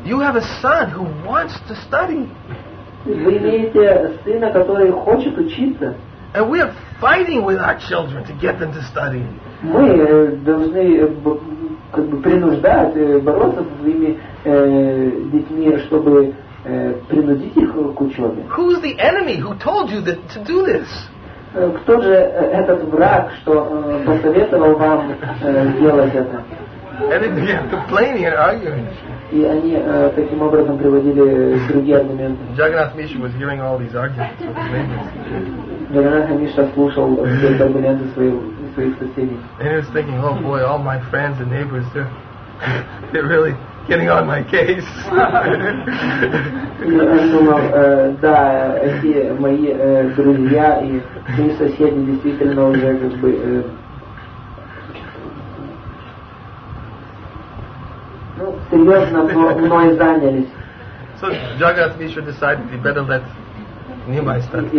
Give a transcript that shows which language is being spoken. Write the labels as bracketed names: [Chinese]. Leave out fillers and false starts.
[English] You have a son who wants to study. [Russian] Вы имеете сына, который хочет учиться. [English] And we are fighting with our children to get them to study. [Russian] Мы должны как бы принуждать, бороться со своими детьми, чтобы принудить их к учебе. [English] Who's the enemy who told you that, to do this? [Russian] Кто же этот враг, что посоветовал вам делать это? [English] And they began complaining and arguing. [Russian] И они таким образом приводили другие аргументы. [English] Jagannath Mishra was hearing all these arguments. [Russian] Jagannath Mishra слушал все эти аргументы своих соседей. [English] And he was thinking, oh boy, all my friends and neighbors, they're really getting on my case. [Russian] Я думал, да, эти мои друзья и мои соседи действительно уже как бы. [English] So Jagannath Mishra decided he better let Nehemiah study.